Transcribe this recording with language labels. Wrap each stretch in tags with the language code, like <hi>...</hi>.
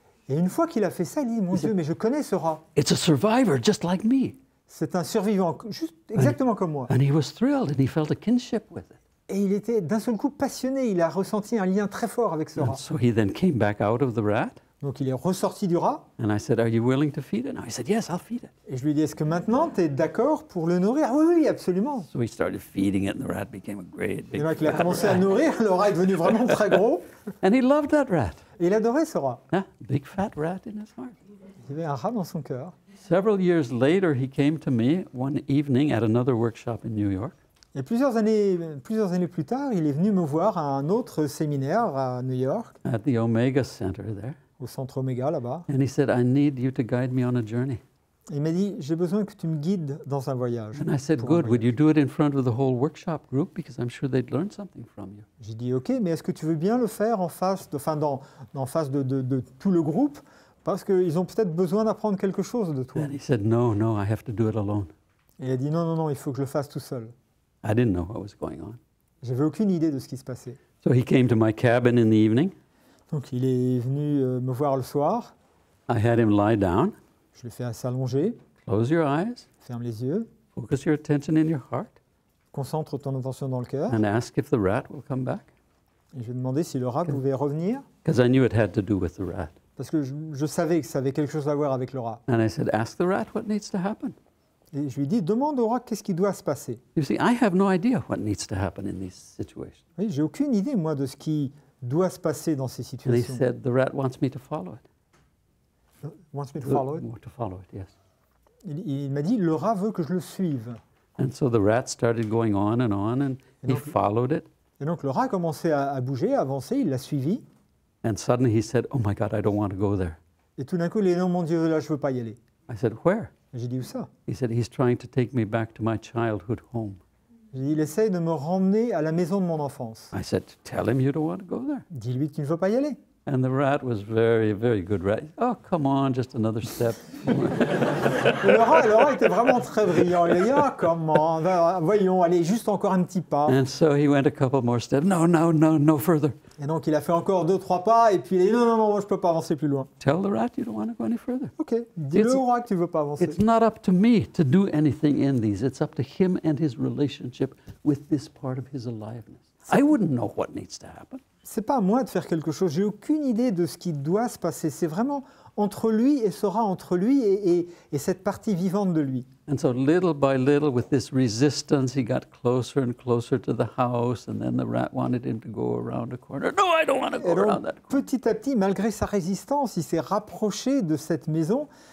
<fr>Et une fois qu'il a fait ça, il dit, mon Dieu, mais je connais ce rat.</fr> <en>It's a survivor, just like me.</en> <fr>C'est un survivant, juste exactement comme moi.</fr> <en>And he was thrilled and he felt a kinship with it.</en> <fr>Et il était d'un seul coup passionné, il a ressenti un lien très fort avec ce rat.</fr> <en>So he then came back out of the rat.</en> <fr>Donc il est ressorti du rat.</fr> <en>And I said, are you willing to feed it? And I said, yes, I'll feed it.</en> <fr>Et je lui ai dit, est-ce que maintenant tu es d'accord pour le nourrir? Oui, absolument.</fr> <en>So he started feeding it and the rat became a great big</en> <fr>rat. Et donc il a commencé à nourrir, le rat est devenu vraiment très gros.</fr> <en>And he loved that rat.</en> <fr>Et il adorait ce rat.</fr> <en>Yeah, big fat rat in his heart.</en> <fr>Il avait un rat dans son cœur.</fr> <en>Several years later, he came to me one evening at another workshop in New York.</en> <fr>Et plusieurs années plus tard, il est venu me voir à un autre séminaire à New York.</fr> <en>At the Omega Center there.</en> <fr>Au centre Omega là-bas.</fr> <en>And he said, I need you to guide me on a journey.</en> <fr>Il m'a dit, j'ai besoin que tu me guides dans un voyage.</fr> <en>And I said, good, would you do it in front of the whole workshop group? Because I'm sure they'd learn something from you.</en> <fr>J'ai dit, ok, mais est-ce que tu veux bien le faire en face de tout le groupe? Parce qu'ils ont peut-être besoin d'apprendre quelque chose de toi.</fr> <en>And he said, no, no, I have to do it alone.</en> <fr>Et il a dit, non, non, non, il faut que je le fasse tout seul.</fr> <en>I didn't know what was going on.</en> <fr>J'avais aucune idée de ce qui se passait.</fr> <en>So he came to my cabin in the evening.</en> <fr>Donc il est venu me voir le soir.</fr> <en>I had him lie down.</en> <fr>Je l'ai fait s'allonger.</fr> <en>Close your eyes.</en> <fr>Ferme les yeux.</fr> <en>Focus your attention in your heart.</en> <fr>Concentre ton attention dans le cœur.</fr> <en>And ask if the rat will come back.</en> <fr>Et je lui ai demandé si le rat pouvait revenir.</fr> <en>Because I knew it had to do with the rat.</en> <fr>Parce que je savais que ça avait quelque chose à voir avec le rat.</fr> <en>And I said, ask the rat what needs to happen.</en> <fr>Et je lui dis, demande au roi qu'est-ce qui doit se passer.</fr> <en>You see, I have no idea what needs to happen in these situations.</en> <fr>Oui, j'ai aucune idée moi de ce qui doit se passer dans ces situations.</fr> <en>And he said, the rat wants me to follow it. Wants me to follow it. To follow it, yes.</en> <fr>Il m'a dit, le rat veut que je le suive.</fr> <en>And so the rat started going on and on, and he followed it.</en> <fr>Et donc le rat a commencé à bouger, à avancer. Il l'a suivi.</fr> <en>And suddenly he said, oh my God, I don't want to go there.</en> <fr>Et tout d'un coup, il dit, non, mon Dieu, là, je veux pas y aller.</fr> <en>I said, where?</en> <fr>J'ai dit, où ça?</fr> <en>He said, he's trying to take me back to my childhood home.</en> <fr>J'ai dit, il essaye de me ramener à la maison de mon enfance.</fr> <en>I said, tell him you don't want to go there.</en> <fr>Dis-lui que tu ne veux pas y aller.</fr> <en>And the rat was very, very good rat. Oh, come on, just another step.</en> <fr>Le rat était vraiment très brillant. Il a dit,</fr> <en>oh, come on,</en> <fr>voyons, allez, juste encore un petit pas.</fr> <en>And so he went a couple more steps. No, no, no, no further.</en> <fr>Et donc, il a fait encore deux, trois pas, et puis il a dit, non, moi, je ne peux pas avancer plus loin.</fr> <en>Tell the rat you don't want to go any further.</en> <fr>OK, dis-le au rat que tu ne veux pas avancer.</fr> <en>It's not up to me to do anything in these. It's up to him and his relationship with this part of his aliveness. I wouldn't know what needs to happen.</en> <fr>C'est pas à moi de faire quelque chose. J'ai aucune idée de ce qui doit se passer. C'est vraiment entre lui et Sora, entre lui et cette partie vivante de lui.</fr> <en>And so little by little, with this resistance, he got closer and closer to the house. And then the rat wanted him to go around a corner. No, I don't want to go around that corner.</en> <fr>Petit à petit, malgré sa résistance, il s'est rapproché de cette maison.</fr>